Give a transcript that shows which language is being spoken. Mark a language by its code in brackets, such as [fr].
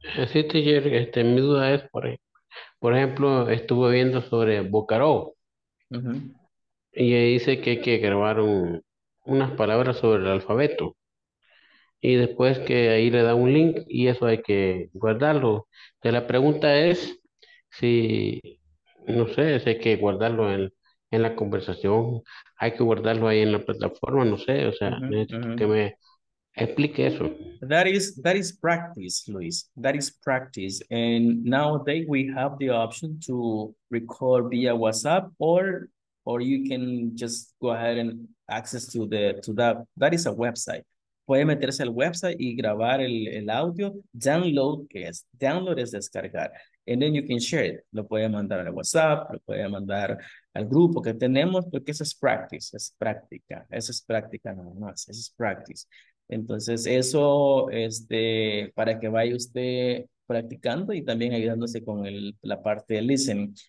[es] Sí, teacher, mi duda es, por ejemplo, estuve viendo sobre Bocaro y dice que hay que grabar unas palabras sobre el alfabeto y después que ahí le da un link y eso hay que guardarlo. Y la pregunta es si, no sé, si hay que guardarlo en la conversación, hay que guardarlo ahí en la plataforma, no sé, o sea, necesito que me explique eso. [en] That is practice, Luis. That is practice. And nowadays we have the option to record via WhatsApp or you can just go ahead and access to that is a website. [es] puede meterse al website y grabar el audio. Download, que es download, es descargar. [en] And then you can share it. [es] Lo puede mandar a WhatsApp, lo puede mandar al grupo que tenemos, porque eso es practice, es práctica. Eso es práctica nada más, eso es practice. Entonces, eso es para que vaya usted practicando y también ayudándose con la parte de listening.